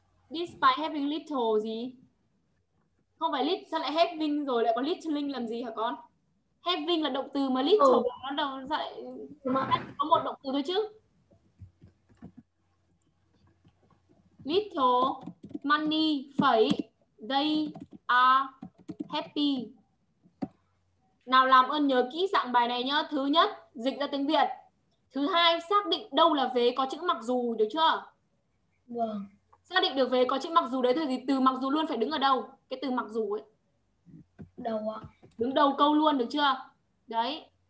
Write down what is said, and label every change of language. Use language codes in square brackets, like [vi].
[en] Despite having little [vi] gì? Không phải little, sao lại having rồi lại có littling làm gì hả con? Having là động từ mà little nó đâu lại có một động từ thôi chứ. [en] Little money [vi] phẩy [en] they are happy. [vi] Nào làm ơn nhớ kỹ dạng bài này nhá. Thứ nhất, dịch ra tiếng Việt. Thứ hai, xác định đâu là vế có chữ mặc dù, được chưa? Vâng. Xác định được về có chữ mặc dù đấy thôi thì từ mặc dù luôn phải đứng ở đâu? Cái từ mặc dù ấy. Đầu ạ. Đứng đầu câu luôn, được chưa? Đấy.